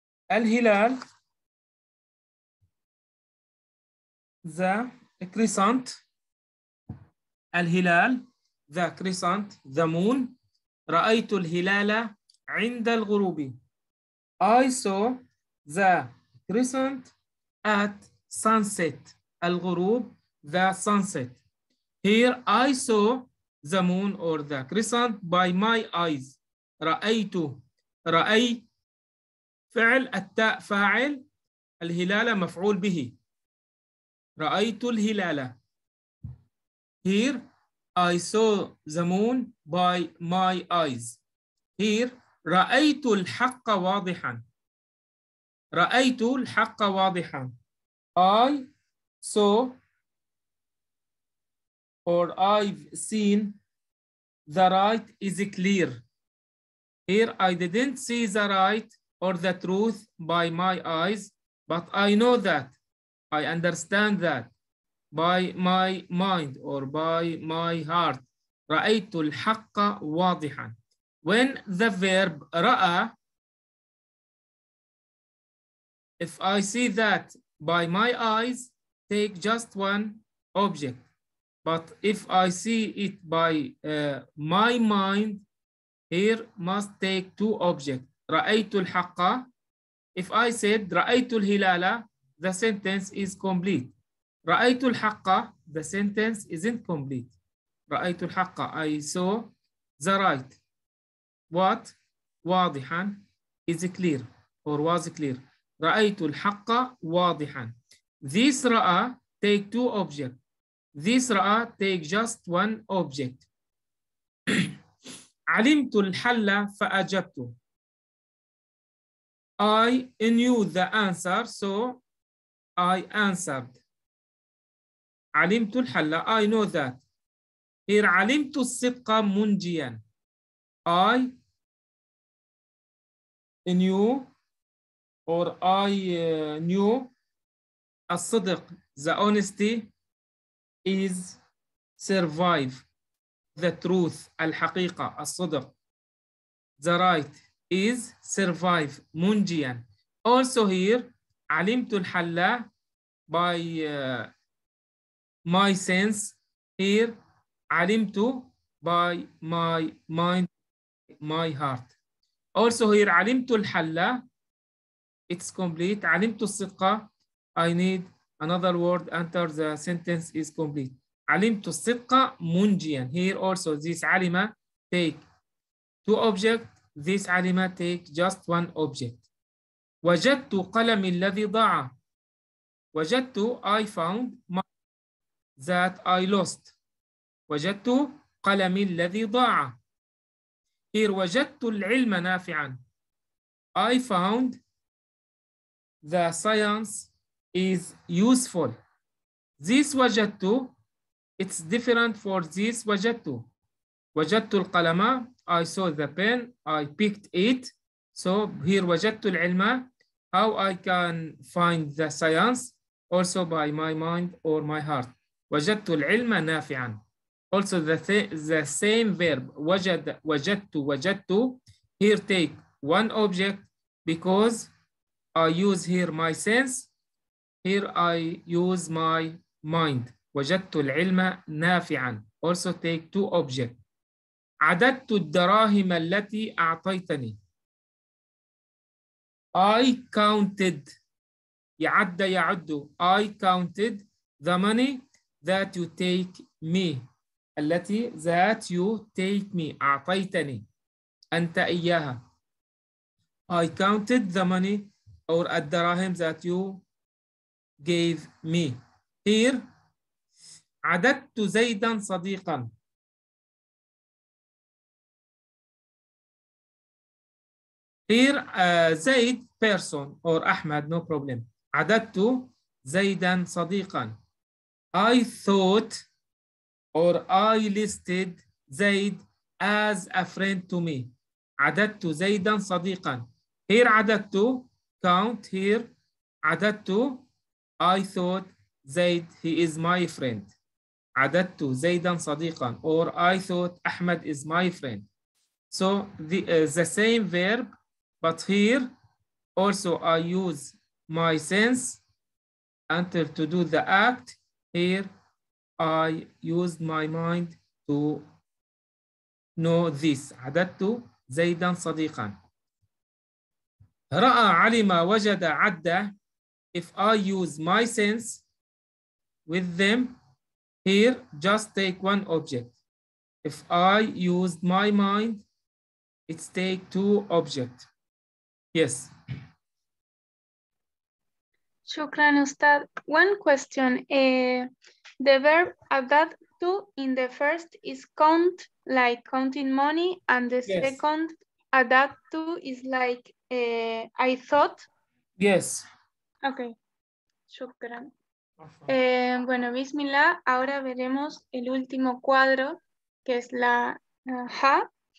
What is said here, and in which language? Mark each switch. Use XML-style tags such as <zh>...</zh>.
<en>Al-Hilal, the crescent, Al-Hilal, the crescent, the moon,</en> <ar>رأيت الهلال عند الغروب.</ar> <en>I saw the crescent at sunset, الغروب, the sunset. Here I saw the moon or the crescent by my eyes.</en> <ar>رأيت, رأي, فعل, التاء فاعل, الهلال مفعول به. رأيت الهلال.</ar> <en>Here I saw the moon by my eyes.</en> <ar>Here رأيت الحق واضحا. رأيت الحق واضحا.</ar> <en>I saw or I've seen the right is clear. Here I didn't see the right or the truth by my eyes, but I know that. I understand that by my mind or by my heart.</en> <ar>رأيت الحق واضحا.</ar> <en>When the verb رأى, if I see that by my eyes, take just one object. But if I see it by my mind, here must take two objects.</en> <ar>رأيت الحق.</ar> <en>If I said</en> <ar>رأيت الهلال,</ar> <en>the sentence is complete.</en> <ar>رأيت الحق,</ar> <en>the sentence isn't complete. رأيت الحق, I saw the right. What? واضحا is clear or was clear.</en> <ar>رأيت الحق واضحا.</ar> <en>This رأى take two objects. This رأى take just one object.</en> <ar>علمت الحل فأجبت.</ar> <en>I knew the answer, so I answered.</en> <ar>علمت الحل,</ar> <en>I know that.</en> <ar>Here علمت الصدق منجيا.</ar> <en>I knew or I knew الصدق, the honesty is survive. The truth, الحقيقة, الصدق. The right is survive, منجيا. Also here,</en> <ar>علمت الحل</ar> <en>by my sense. Here, علمت by my mind, my heart. Also here,</en> <ar>علمت الحل,</ar> <en>it's complete.</en> <ar>علمت الصدق,</ar> <en>I need another word enter the sentence is complete.</en> <ar>علمت الصدق منجيا.</ar> <en>Here also this علم take two object. This علم take just one object.</en> <ar>وجدت قلم الذي ضاع.</ar> <en>وجدت I found my, that I lost.</en> <ar>وجدت قلم الذي ضاع. Here وجدت العلم نافعا.</ar> <en>I found the science is useful. This وجدت, it's different for this وجدت.</en> <ar>وجدت القلم,</ar> <en>I saw the pen, I picked it. So here</en> <ar>وجدت العلم,</ar> <en>how I can find the science, also by my mind or my heart.</en> <ar>وجدت العلم نافعا.</ar> <en>Also the same verb,</en> <ar>وجد, وجدت, وجدت.</ar> <en>Here take one object because I use here my sense. Here I use my mind.</en> <ar>وجدت العلم نافعا.</ar> <en>Also take two objects.</en> <ar>عددت الدراهم التي أعطيتني.</ar> <en>I counted.</en> <ar>يعد يعد.</ar> <en>I counted the money that you take me. التي that you take me.</en> <ar>أعطيتني. أنت إياها.</ar> <en>I counted the money or الدراهم that you gave me.</en> <ar>Here, عددت زيدا صديقا.</ar> <en>Here, زيد person or أحمد, no problem.</en> <ar>عددت زيدا صديقا.</ar> <en>I thought or I listed زيد as a friend to me.</en> <ar>عددت زيدا صديقا.</ar> <en>Here, عددت, count here, عددت, I thought Zaid, he is my friend.</en> <ar>عددت زيدا صديقا.</ar> <en>Or I thought Ahmed is my friend. So the same verb, but here Also, I use my sense until to do the act. Here, I used my mind to know this.</en> <ar>عددت زيدا صديقا. رأى علم وجد عدة.</ar> <en>If I use my sense with them, here, just take one object. If I used my mind, it's take two objects. Yes.</en> <ar>Shukran Ustad.</ar> <en>One question. The verb adatto in the first is count, like counting money, and the yes. second adatto is like I thought. Yes. Okay. Shukran.</en> <es>Bueno, bismillah, ahora veremos el último cuadro, que es la ha.</es>